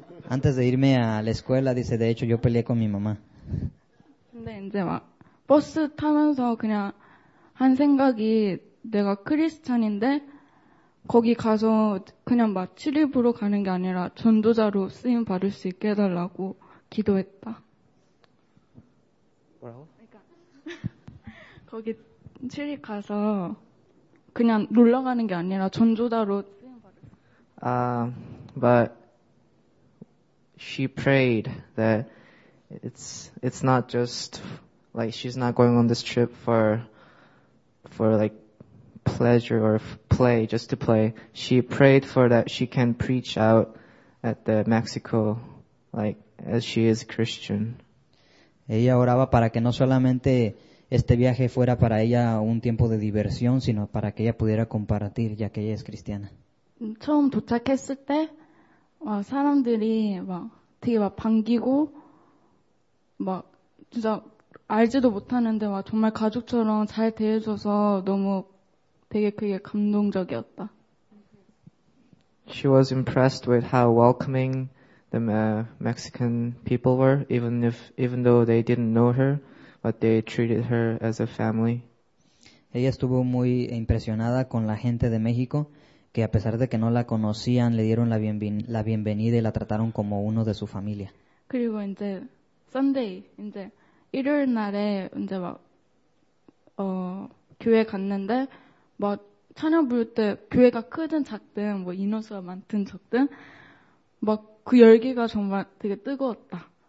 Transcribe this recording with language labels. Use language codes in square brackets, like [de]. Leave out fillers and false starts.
[es] Antes de irme a la escuela, dice, de hecho yo peleé con mi mamá. [ko] 근데 이제 막 버스 타면서 그냥 한 생각이 내가 크리스찬인데 거기 가서 그냥 막 출입으로 가는 게 아니라 전도자로 쓰임 받을 수 있게 해달라고 기도했다. 뭐라고? 그러니까 거기 출입 가서 그냥 놀러 가는 게 아니라 전도자로 쓰임 받을 수 있게. [en] But she prayed that it's not just like she's not going on this trip for like pleasure or play, just to play. She prayed for that she can preach out at the Mexico, like as she is Christian. [es] Ella oraba para que no solamente este viaje fuera para ella un tiempo de diversión, sino para que ella pudiera compartir, ya que ella es cristiana. [ko] 처음 도착했을 때, 막 사람들이 막 되게 막 반기고, 막 진짜 알지도 못하는데 막 정말 가족처럼 잘 대해줘서 너무 되게 그게 감동적이었다. [en] She was impressed with how welcoming the Mexican people were, even though they didn't know her, but they treated her as a family. [es] Ella estuvo muy impresionada con la gente de México, que a pesar de que no la conocían, le dieron la bienvenida y la trataron como uno de su familia. [ko] 그리고 이제 Sunday, 이제 일요일 날에 이제 막 교회 갔는데 막 찬양 부를 때 교회가 크든 작든 뭐 인원수가 많든 적든 막 그 열기가 정말 되게 뜨거웠다.